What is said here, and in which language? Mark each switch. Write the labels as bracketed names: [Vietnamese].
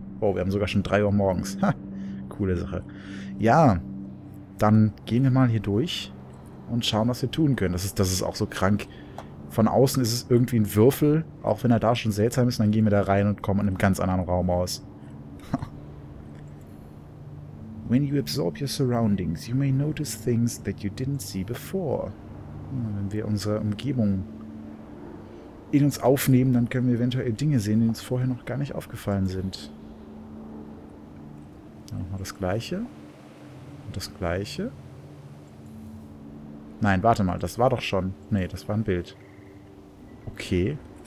[German] Oh, wir haben sogar schon 3 Uhr morgens. Ha, coole Sache. Ja, dann gehen wir mal hier durch und schauen, was wir tun können. Das ist auch so krank. Von außen ist es irgendwie ein Würfel. Auch wenn er da schon seltsam ist, dann gehen wir da rein und kommen in einem ganz anderen Raum aus. [English] When you absorb your surroundings, you may notice things that you didn't see before. [German] Wenn wir unsere Umgebung in uns aufnehmen, dann können wir eventuell Dinge sehen, die uns vorher noch gar nicht aufgefallen sind. Dann nochmal das Gleiche. Und das Gleiche. Nein, warte mal, das war doch schon. Nee, das war ein Bild. Okay.